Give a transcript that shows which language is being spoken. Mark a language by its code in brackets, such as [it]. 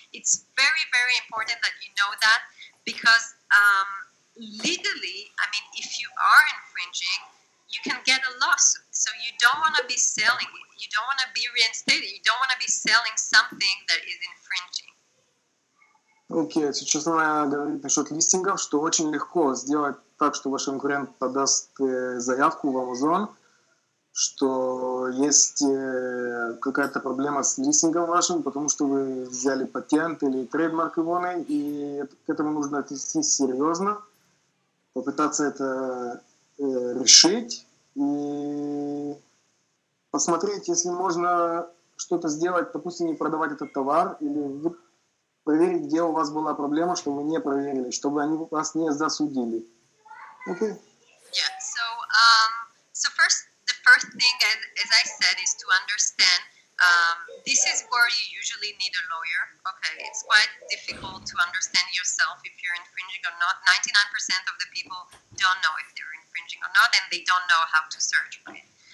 [en] It's very, very important that you know that, because legally, if you are infringing, you can get a lawsuit. So you don't want to be selling it. You don't want to be reinstated. You don't want to be selling something that is infringing. [ru] Окей, сейчас она говорит насчет листингов, что очень легко сделать так, что ваш конкурент подаст заявку в Amazon, что есть какая-то проблема с листингом вашим, потому что вы взяли патент или трейдмарк его, и к этому нужно отнестись серьезно, попытаться это решить и посмотреть, если можно что-то сделать, допустим, не продавать этот товар, или проверить, где у вас была проблема, чтобы вы не проверили, чтобы они вас не засудили. [en] Okay. Yeah, so so first, the first thing, as I said, is to understand this is where you usually need a lawyer. Okay, it's quite difficult to understand yourself if you're infringing or not. 99% of the people don't know if they're infringing or not, and they don't know how to search, right?